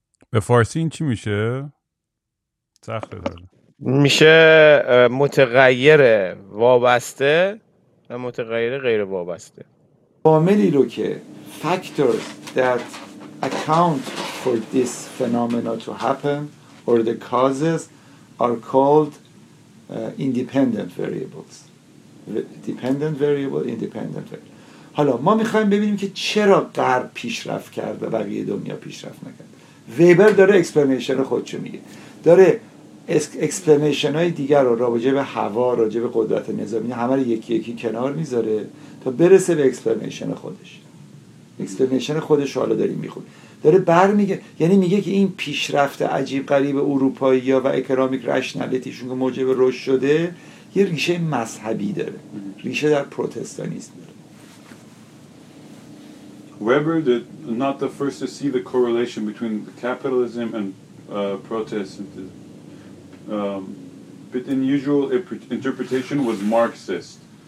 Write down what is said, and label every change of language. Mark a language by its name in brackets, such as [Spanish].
[Persian] به فارسی این چی میشه؟ سخته داره. میشه متغیر وابسته و متغیر غیر وابسته. عاملی رو که [English] factors that account for this phenomena to happen or the causes are called independent variables. Dependent variable, independent variable. [Persian] حالا ما میخواییم ببینیم که چرا غرب پیشرفت کرد و بقیه دنیا پیشرفت نکرد. ویبر داره اکسپلینیشن خودشو میگه، داره اکسپلینیشن های دیگر رو راجعه به هوا، راجعه به قدرت نظامی، همه رو یکی یکی کنار میذاره تا برسه به اکسپلینیشن خودش. اکسپلینیشن خودش حالا داریم میخونیم، داره بر میگه، یعنی میگه که این پیشرفت عجیب غریب اروپایی ها و اکرامیک رشنالیتیشون که موجب رشد شده یه ریشه مذهبی داره، ریشه در پروتستانیسم داره. [English] Weber did not the first to see the correlation between capitalism and Protestantism, but in usual interpretation was Marxist.